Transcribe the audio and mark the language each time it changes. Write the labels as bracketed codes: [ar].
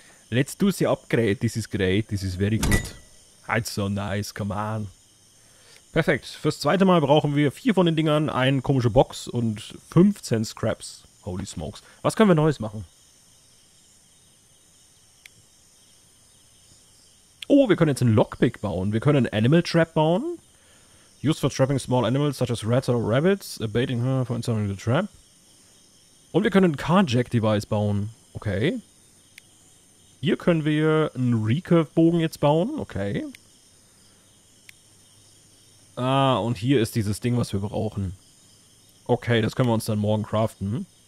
[en] Let's do the upgrade. This is great. This is very good. That's so nice. Come on. Perfekt. [de] Fürs zweite Mal brauchen wir 4 von den Dingern, eine komische Box und 15 Scraps. [en] Holy smokes. [de] Was können wir Neues machen? Oh, wir können jetzt einen Lockpick bauen. Wir können einen Animal Trap bauen. [en] Used for trapping small animals such as rats or rabbits, abating her for installing the trap. [de] Und wir können ein Carjack-Device bauen. Okay. Hier können wir einen Recurve-Bogen jetzt bauen. Okay. Ah, und hier ist dieses Ding, was wir brauchen. Okay, das können wir uns dann morgen craften.